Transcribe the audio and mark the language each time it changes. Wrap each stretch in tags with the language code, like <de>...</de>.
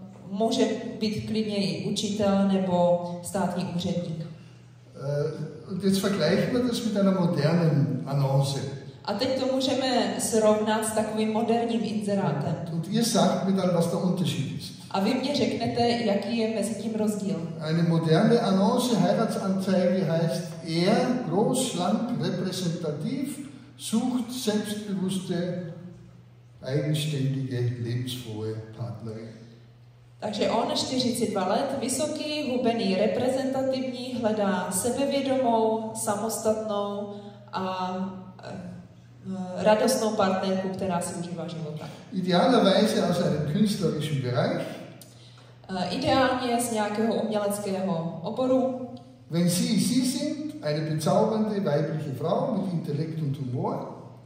<cs>Může být klidně i učitel nebo státní úředník.</cs> <de>Und jetzt vergleichen wir das mit einer modernen Annonce.</de> <cs>A teď to můžeme srovnat s takovým moderním inzerátem.</cs> <de>Und ihr sagt mir dann, was der Unterschied ist.</de> <cs>A vy mě řeknete, jaký je mezi tím rozdíl.</cs> <de>Eine moderne Annonce, Heiratsanzeige heißt, groß, schlank, repräsentativ, sucht selbstbewusste, eigenständige, lebensfrohe Partnerin.</de> <cs>Takže on 42 let, vysoký, hubený, reprezentativní, hledá sebevědomou, samostatnou a radostnou partnerku, která si užívá života.</cs> <de>Idealerweise aus einem künstlerischen Bereich.</de> <cs>Ideálně z nějakého uměleckého oboru.</cs> <de>Wenn sie sind, eine bezaubernde weibliche Frau mit Intellekt und Humor.</de>